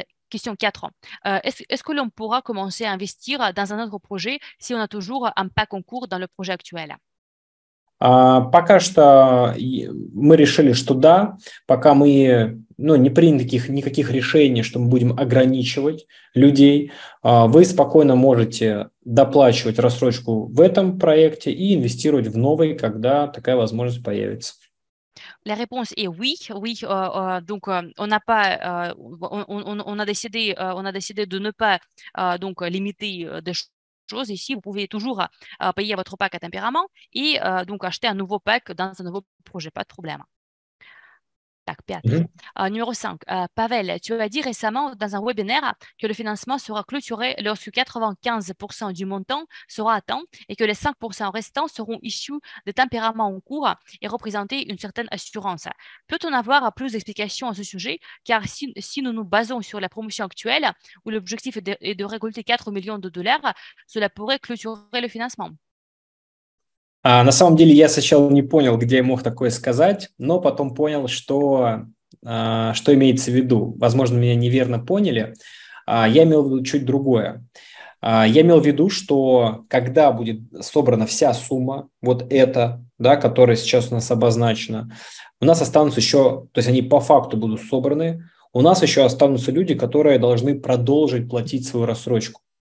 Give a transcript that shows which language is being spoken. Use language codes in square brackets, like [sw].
[fr] Question 4. Est-ce que l'on pourra commencer à investir dans un autre projet si on a toujours un pack en cours dans le projet actuel? [ru] Пока что мы решили, что да, пока мы не приняли никаких решений, что мы будем ограничивать людей, вы спокойно можете доплачивать рассрочку в этом проекте и инвестировать в новый, когда такая возможность появится. [fr] La réponse est oui, on a décidé de ne pas donc limiter de choses ici. Vous pouvez toujours payer votre pack à tempérament et donc acheter un nouveau pack dans un nouveau projet, pas de problème. Tac, numéro 5. Pavel, tu as dit récemment dans un webinaire que le financement sera clôturé lorsque 95% du montant sera atteint et que les 5% restants seront issus de tempéraments en cours et représenter une certaine assurance. Peut-on avoir plus d'explications à ce sujet? Car si nous nous basons sur la promotion actuelle où l'objectif est de récolter 4 millions de dollars, cela pourrait clôturer le financement. [ru] На самом деле я сначала не понял, где я мог такое сказать, но потом понял, что имеется в виду. Возможно, меня неверно поняли. Я имел в виду чуть другое. Я имел в виду, что когда будет собрана вся сумма, вот эта, да, которая сейчас у нас обозначена, у нас останутся еще, то есть они по факту будут собраны, у нас еще останутся люди, которые должны продолжить платить свою рассрочку.